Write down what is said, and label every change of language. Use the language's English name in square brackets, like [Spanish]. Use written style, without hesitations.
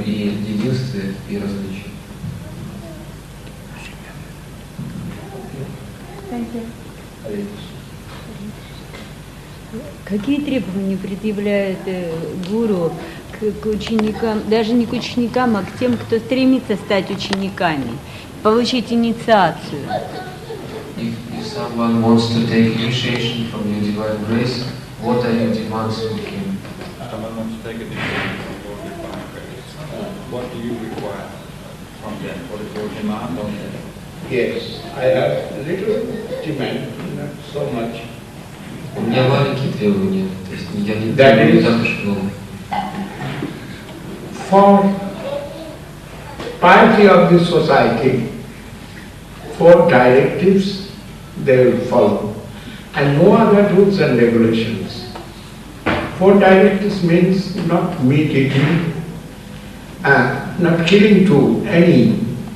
[English] Inconceivable unity in diversity. [Russian] Какие требования предъявляет гуру к ученикам, даже не к ученикам, а к тем, кто стремится стать учениками, получить инициацию? [English] If someone wants to take initiation from your divine grace, what are your demands for him? Someone wants to take initiation from your divine grace. What do you require from them? What is your demand on them? Yes, I have little demand, not so much. [Russian] У меня маленькие требования, то есть я не требую так уж много. [English] For party of the society, four directives they will follow, and no other rules and regulations. Four directives means not meat eating, not killing to any.